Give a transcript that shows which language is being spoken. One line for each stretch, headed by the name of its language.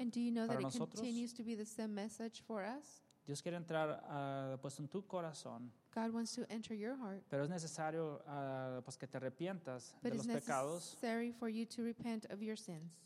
English: And do you know that it continues to be the same message for us?
Spanish: Dios quiere entrar pues en tu corazón.
English: God wants to enter your heart.
Spanish: Pero es necesario pues que te arrepientas de los pecados.
English: But it's necessary for you to repent of your sins.